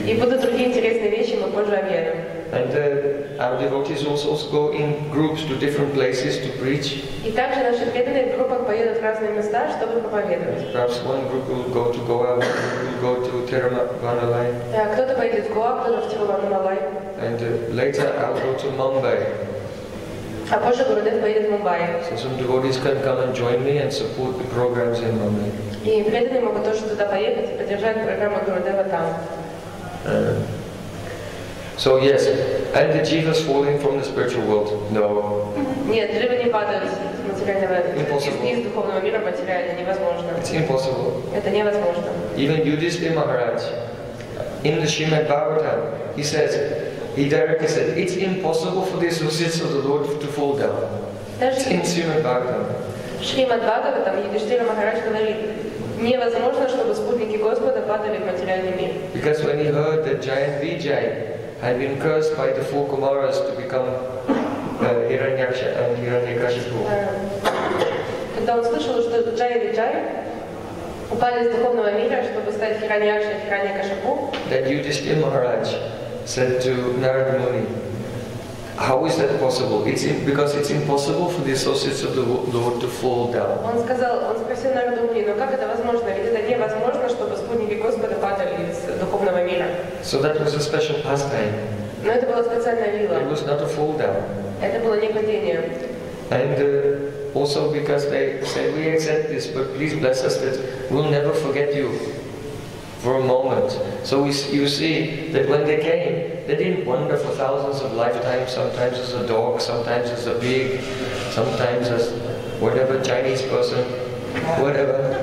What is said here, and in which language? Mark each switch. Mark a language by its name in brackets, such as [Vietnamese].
[Russian] И будут другие интересные вещи, мы позже объявим. [English] And our devotees also go in groups to different places to preach. [Russian] И также наши преданные в группах поедут в разные места, чтобы проповедовать. [English] Perhaps one group will go to Goa, one group will go to Tiruvannamalai. [Russian] Кто-то поедет в Гоа, кто-то в Тирувануммалай. [English] And later I'll go to Mumbai. [Russian] А позже Гурудев поедет в Мумбаи. [English] So some devotees can come and join me and support the programs in Mumbai. [Russian] И преданные могут тоже туда поехать и поддержать программу Гурудева там. [English] So yes, and the jivas falling from the spiritual world, no. [Russian] Нет, живы не падают из материального мира. Из духовного мира материально невозможно. [English] It's impossible. [Russian] Это невозможно. [English] Even Yudhishthira Maharaj, in the Srimad Bhagavatam, he says, he directly said, it's impossible for the associates of the Lord to fall down. [Russian] Даже [English] in Srimad Bhagavatam. [Russian] Srimad Bhagavatam, Yudhishthira Maharaj говорит, невозможно, чтобы спутники Господа падали в материальный мир. [English] Because when he heard that giant Vijay had been cursed by the four Kumaras to become Hiranyaksha and Hiranyakashipu. [Russian] Когда он слышал, что Джай Виджай упали из духовного мира, чтобы стать Хираньякшей и Хираньякашипу, [English] that Yudhishthira Maharaj said to Narada Muni, how is that possible? Because it's impossible for the associates of the Lord to fall down. [Russian] Он сказал, он спросил Нараду Муни, но как это возможно? Ведь это невозможно, чтобы спутники Господа падали из духовного мира. [English] So that was a special pastime. [Russian] Но это была специальная вилла. [English] It was not a fall down. [Russian] Это было не падение. [English] And also because they said, we accept this, but please bless us that we'll never forget you. for a moment. So you see that when they came, they didn't wander for thousands of lifetimes, sometimes as a dog, sometimes as a pig, sometimes as whatever Chinese person, whatever.